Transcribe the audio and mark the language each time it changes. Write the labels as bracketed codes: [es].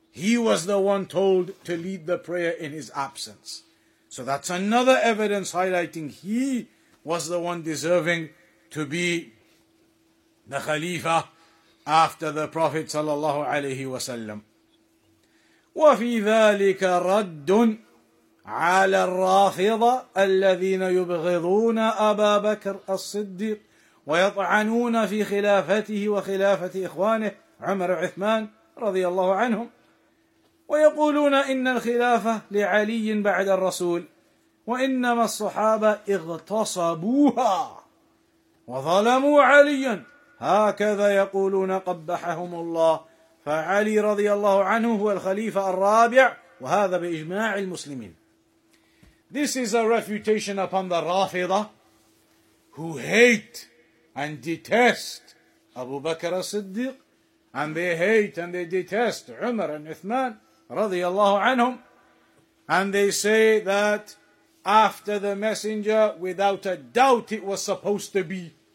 [en] He was the one told to lead the prayer in his absence. So that's another evidence highlighting he was the one deserving to be the Khalifa after the Prophet sallallahu alayhi wa sallam. [ar] وَفِي ذَلِكَ رَدٌ عَلَى الرَّافِضَةِ الَّذِينَ يُبْغِضُونَ أَبَا بَكْرَ الصِّدِّيقِ وَيَطْعَنُونَ فِي خِلَافَتِهِ وَخِلَافَةِ إِخْوَانِهِ عُمَرُ عُثْمَانَ رضي الله عنهم ويقولون إن الخلافة لعلي بعد الرسول وإنما الصحابة اغتصبوها وظلموا عليا هكذا يقولون قبحهم الله فعلي رضي الله عنه هو الخليفة الرابع وهذا بإجماع المسلمين. [en] This is a refutation upon the Rafida who hate and detest Abu Bakr as-Siddiq, and they hate and they detest Umar and Uthman رضي الله عنهم, and they say that after the messenger, without a doubt, it was supposed to be